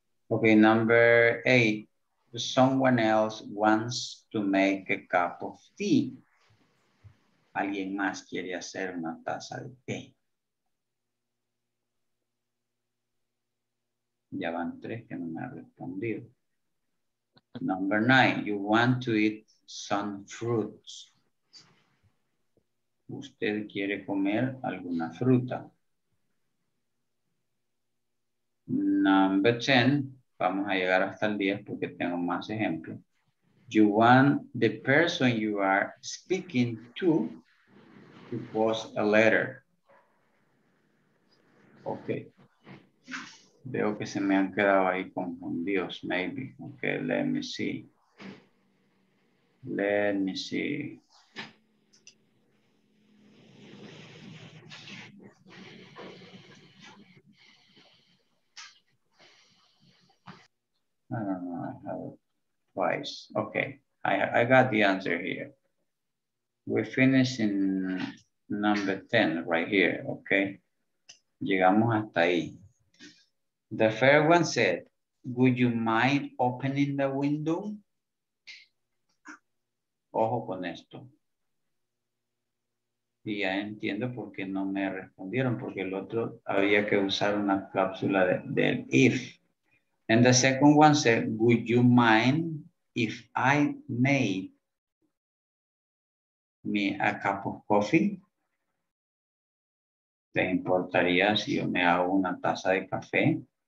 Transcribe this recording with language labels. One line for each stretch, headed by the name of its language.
English: Okay, number eight. Someone else wants to make a cup of tea.
Spanish: Alguien más quiere hacer una taza de té. Ya van tres que no me ha respondido.
English: Number nine, you want to eat some fruits.
Spanish: Usted quiere comer alguna fruta.
English: Number 10,
Spanish: vamos a llegar hasta el 10 porque tengo más ejemplos.
English: You want the person you are speaking to post a letter. Okay.
Spanish: Veo que se me han quedado ahí confundidos, maybe.
English: Okay, let me see. Let me see. I don't know, I have it twice. Okay, I got the answer here. We're finishing number 10 right here, okay?
Spanish: Llegamos hasta ahí.
English: The fair one said, would you mind opening the window?
Spanish: Ojo con esto. Y ya entiendo por qué no me respondieron, porque el otro había que usar una cápsula del if.
English: And the second one said, would you mind if I made me a cup of coffee?
Spanish: ¿Te importaría si yo me hago una taza de café?